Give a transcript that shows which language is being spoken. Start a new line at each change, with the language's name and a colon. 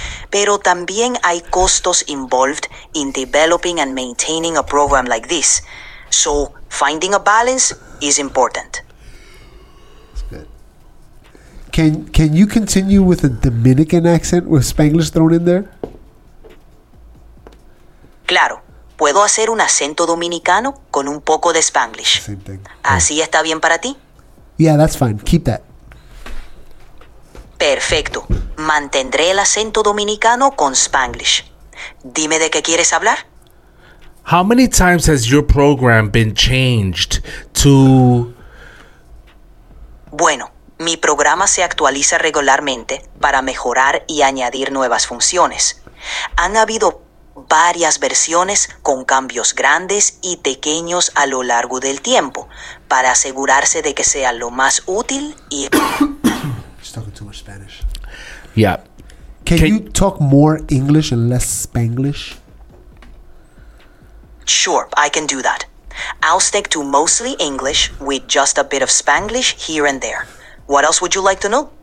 Spanish: Pero también hay costos
English: involved in developing and maintaining a program like this. So finding a balance is important. That's good. Can you continue with a Dominican accent with Spanglish thrown in there?
Spanish: Claro. Puedo hacer un acento dominicano con un poco de Spanglish. ¿Así está bien para ti?
English: Yeah, that's fine. Keep that.
Spanish: Perfecto. Mantendré el acento dominicano con Spanglish. Dime de qué quieres hablar.
English: How many times has your program been changed to...
Spanish: Bueno, mi programa se actualiza regularmente para mejorar y añadir nuevas funciones. Han habido varias versiones con cambios grandes y pequeños a lo largo del tiempo para asegurarse de que sea lo más útil y...
English: Talking too much Spanish. Yeah. Can you talk more English and less Spanglish? Sure, I can do that. I'll stick to mostly English with just a bit of Spanglish here and there. What else would you like to know?